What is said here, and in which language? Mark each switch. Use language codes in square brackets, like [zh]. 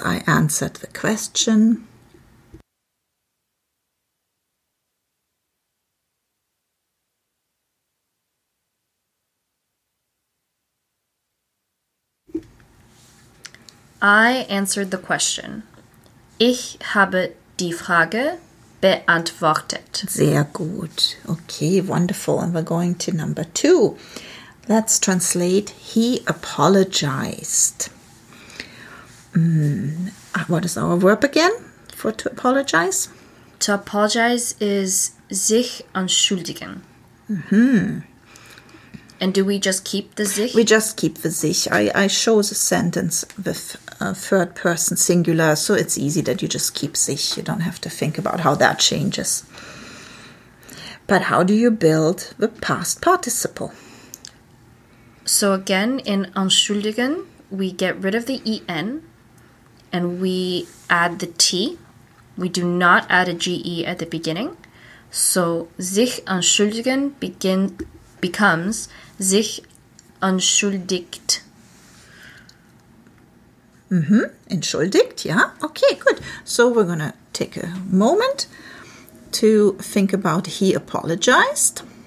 [en] I answered the question. I answered the question. [de] Ich habe die Frage beantwortet. Sehr gut. [en] Okay, wonderful. And we're going to number two. Let's translate. He apologized. What is our verb again for to apologize? To apologize is sich entschuldigen. Mm-hmm. And do we just keep the sich? We just keep the sich. I chose a sentence with a third person singular, so it's easy that you just keep sich. You don't have to think about how that changes. But how do you build the past participle? So again, in entschuldigen, we get rid of the en and we add the t. We do not add a ge at the beginning. So sich entschuldigen becomes sich entschuldigt. Mm-hmm. Entschuldigt, yeah. Okay, good. So we're going to take a moment to think about he apologized.